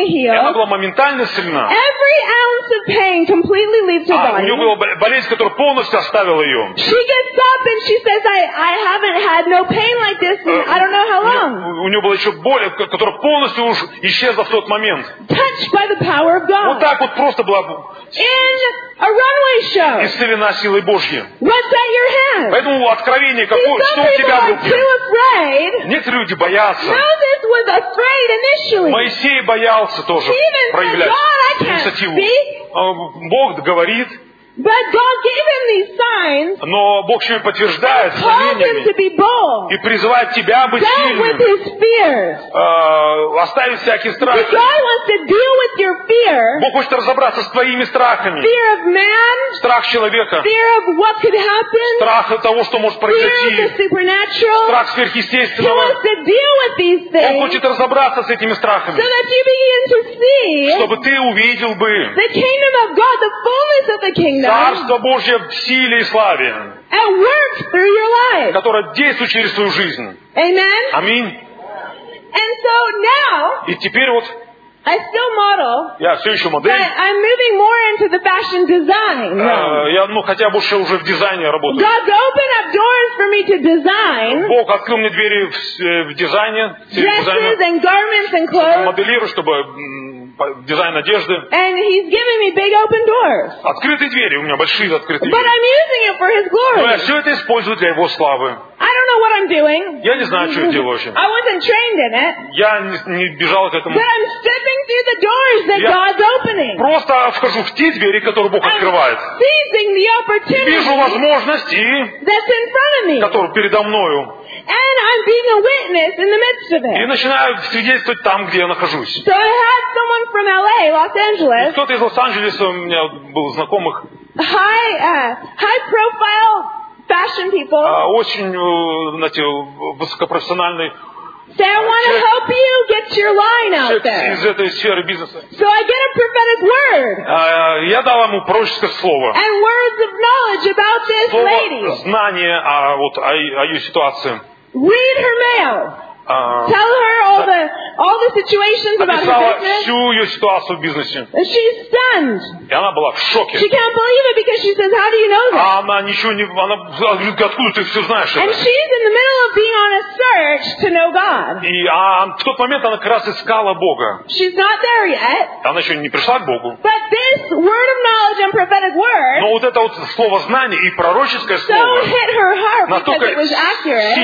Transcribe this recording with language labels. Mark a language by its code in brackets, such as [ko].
[ru] Она была моментально сильна. [en] Every ounce of pain completely leaves her body. [ru] У нее была болезнь, которая полностью оставила ее. [en] She gets up and she says, I haven't had no pain like this in I don't know how long. [ru] У нее была еще боль, которая полностью уж исчезла в тот момент. [en] Touched by the power of God. [ru] Вот так вот просто была. [en] A runway show. [ru] Исцелена силой Божьей. [en] What's at your hand? [ru] Поэтому откровение, какое, что у тебя в руке? Некоторые люди боятся. [en] Moses was afraid initially. [ru] Моисей боялся тоже проявлять инициативу. Бог говорит. [en] But God gave him these signs. [ru] Но Бог еще и подтверждает знамениями и призывает тебя быть сильным. [en] With his fears. [ru] Оставить всякие страхи. [en] God wants to deal with your fear. [ru] Бог хочет разобраться с твоими страхами. [en] Fear of man. [ru] Страх человека. [en] Fear of what could happen. [ru] Страх того, что может произойти. [en] Fear of the supernatural. [ru] Страх сверхъестественного. [en] He wants to deal with these things. [ru] Он хочет разобраться с этими страхами. [en] So that you begin to see. [ru] Чтобы ты увидел бы. [en] The kingdom of God, the fullness of the kingdom. [ru] Царство Божье в силе и славе, [en] at work through your life. [ru] Которое действует через твою жизнь. Аминь. И теперь вот [en] I still model, [ru] я все еще модель, [en] but I'm moving more into the fashion design. [ru] Я, ну, хотя больше уже в дизайне работаю. [en] God opened up doors for me to design. [ru] Бог открыл мне двери в дизайне. [en] Dresses and garments and clothes. [ru] Моделирую, чтобы дизайн одежды. [en] And he's giving me big open doors. [ru] Открытые двери у меня, большие открытые. [en] But I'm using it for his glory. [ru] Но я все это использую для его славы. [en] I don't know what I'm doing. [ru] Я не знаю, что я делаю вообще. [en] I wasn't trained in it. [ru] Я не бежал к этому. [en] But I'm stepping through the doors that God's opening. [ru] Просто вхожу в те двери, которые Бог [en] I'm [ru] открывает. [en] Seizing the opportunity. [ru] Вижу возможности, [en] that's in front of me. [ru] Которые передо мною. [en] And I'm being a witness in the midst of it. [ru] И начинаю свидетельствовать там, где я нахожусь. [en] So I had someone from LA, Los Angeles. [ru] Кто-то из Лос-Анджелеса у меня был знакомых. [en] High profile fashion people. [ru] Очень, знаете, высокопрофессиональный. [en] So I want to help you get your line out there. [ru] Из этой сферы бизнеса. [en] So I get a prophetic word. [ru] Я дал ему пророческое слово. [en] And words of knowledge about this [ru] слово [en] lady. [ru] Знание о ее ситуации. [en] Read her mail. Tell her all the situations about her business. [ru] Всю ее ситуацию в бизнесе. [en] And she's stunned. [ru] И она была в шоке. [en] She can't believe it because she says, "How do you know that?" [ru] А она ничего не, она говорит, откуда ты все знаешь? [en] And she's in the middle of being on a search to know God. [ru] И в тот момент она как раз искала Бога. [en] She's not there yet. [ru] Она еще не пришла к Богу. [en] But this word of knowledge and prophetic word. [ru] Но вот это вот слово знания и пророческое слово. [en] So hit her heart because it was accurate.